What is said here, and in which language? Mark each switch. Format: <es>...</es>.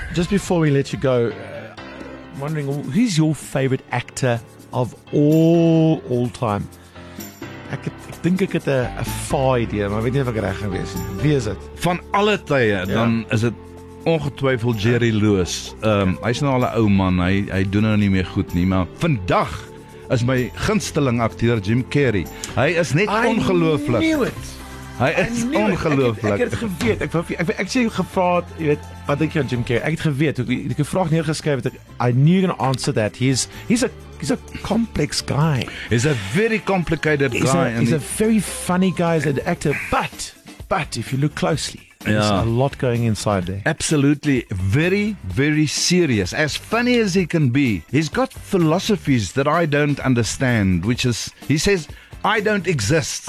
<en>Just before we let you go, wondering, who's your favorite actor of all time?</en> <af>Ek dink ek het 'n faai idee, maar weet nie of ek reg gaan wees nie. Wie is dit? Van alle tye, ja. Dan is het ongetwyfeld Jerry Lewis. Hy's nou al 'n ou man, hy doen nou nie meer goed nie, maar vandag is my gunsteling akteur Jim Carrey. Hy is net ongelooflik. Hy is ongelooflik. Ek het geweet, jy weet, wat dink jy van Jim Carrey? Ek het geweet, ek het 'n vraag neergeskryf,</af> <en>I knew you're gonna answer that. He's a complex guy. He's a very complicated guy. He's a very funny guy as an actor, but if you look closely, there's a lot going inside there. Absolutely. Very, very serious. As funny as he can be, he's got philosophies that I don't understand, which is, he says, I don't exist.</en>